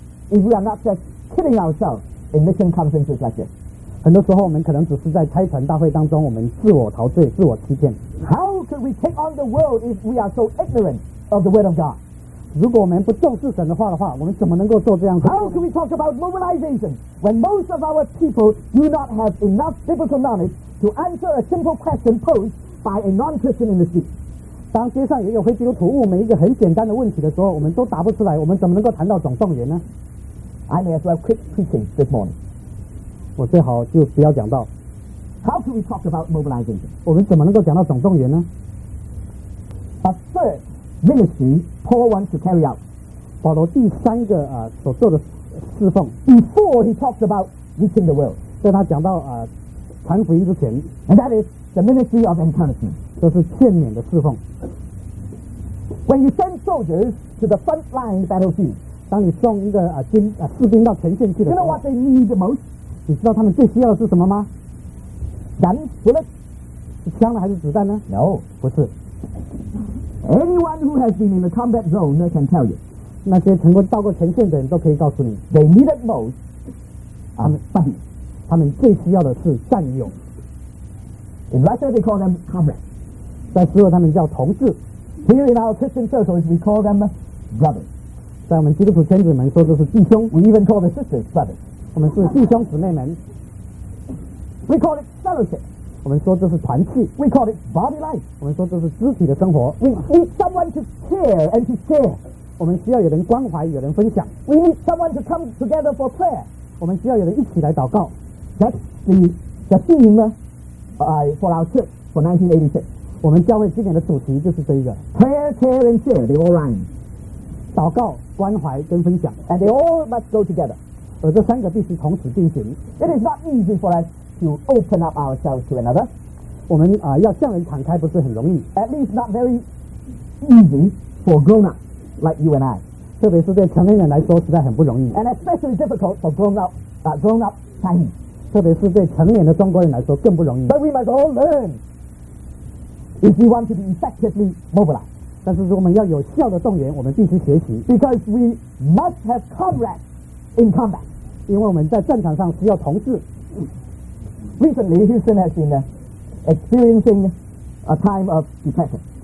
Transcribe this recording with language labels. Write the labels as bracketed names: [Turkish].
[English] If we are not just kidding ourselves in mission conferences like this, [Chinese] 很多时候我们可能只是在差传大会当中，我们自我陶醉、自我欺骗。 [English] How could we take on the world if we are so ignorant of the word of God? [Chinese] 如果我们不重视神的话的话，我们怎么能够做这样子 [English] ？How could we talk about mobilization when most of our people do not have enough biblical knowledge to answer a simple question posed by a non-Christian in the street? [Chinese] 当街上也有非基督徒问我们一个很简单的问题的时候，我们都答不出来，我们怎么能够谈到总动员呢？ [English] I may as well quit preaching this morning. [Chinese] 我最好就不要讲到。 [English] How can we talk about mobilization? [Chinese] 我们怎么能够讲到总动员呢？ [English] A third ministry Paul wants to carry out. [Chinese] 保罗第三个所做的侍奉。 [English] Before he talks about reaching the world. [Chinese] 在他讲到传福音之前。 [English] And that is the ministry of encouragement. [Chinese] 这是劝勉的侍奉。 [English] When you send soldiers to the front line battlefield, [Chinese] 当你送一个士兵到前线去的时候 [English] ，You know what they need the most? [Chinese] 你知道他们最需要的是什么吗 [English] ？Guns, bullets, [Chinese] 是枪呢还是子弹呢 [English] ？No, [Chinese] 不是。 [English] Anyone who has been in the combat zone can tell you. [Chinese] 那些曾经到过前线的人都可以告诉你 [English] ，They need it most. [Chinese] 他们战友，他们最需要的是战友。 [English] In Russia, they call them comrades. [Chinese] 在斯洛他们叫同志 [English] Here in our Christian circles we call them brothers [Chinese] 在我们基督徒圈子里面说这是弟兄 [English] We even call the sisters brothers [Chinese] 我们是弟兄姊妹们 [English] We call it fellowship [Chinese] 我们说这是团契 [English] We call it body life [Chinese] 我们说这是肢体的生活 [English] We need someone to care and to share [Chinese] 我们需要有人关怀有人分享 [English] We need someone to come together for prayer [Chinese] 我们需要有人一起来祷告 [English] That's the theme for our church for 1986 [Chinese] 我们教会今年的主题就是这一个 [English] Prayer, care and share, they all rhyme [Chinese] 祷告、关怀跟分享 [English] And they all must go together [Chinese] 而这三个必须同时进行 [English] It is not easy for us to open up ourselves to another [Chinese] 我们要向人敞开不是很容易 [English] At least not very easy for grown-ups like you and I [Chinese] 特别是对成年人来说实在很不容易 [English] And especially difficult for grown-up Chinese [Chinese] 特别是对成年的中国人来说更不容易 [English] But we must all learnIf we want to be effectively mobilized, [Chinese] 但是我们要有效的动员，我们必须学习。 [English] Because we must have comrades in combat, [Chinese] 因为我们在战场上需要同志。 [English] Recently, Houston has been experiencing a time of depression.